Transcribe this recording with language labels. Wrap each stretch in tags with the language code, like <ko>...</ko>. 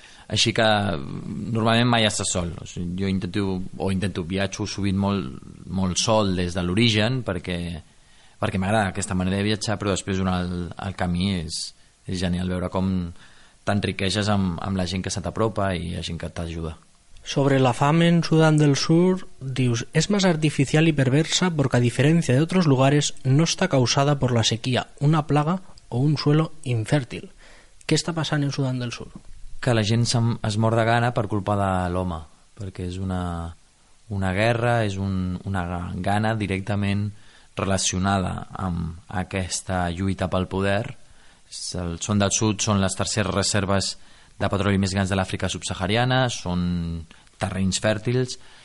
<ca>Així que normalment mai estàs sol. O sigui, jo intento viatjo sovint molt, molt sol des de l'origen, perquè m'agrada aquesta manera de viatjar, però després durant el camí és genial veure com t'enriqueixes amb la gent que se t'apropa i la gent que t'ajuda. Sobre la fam en Sudán del Sur, dius:</ca> <es>es más artificial y perversa porque a diferencia de otros lugares no está causada por la sequía, una plaga o un suelo infértil.</es> <ca>Què està passant en Sudán del Sur? Que la gent es mor de gana per culpa de l'home, perquè és una guerra, és una gana directament relacionada amb aquesta lluita pel poder. El Son del Sud són les terceres reserves de petroli més grans de l'Àfrica subsahariana, són terrenys fèrtils,</ca>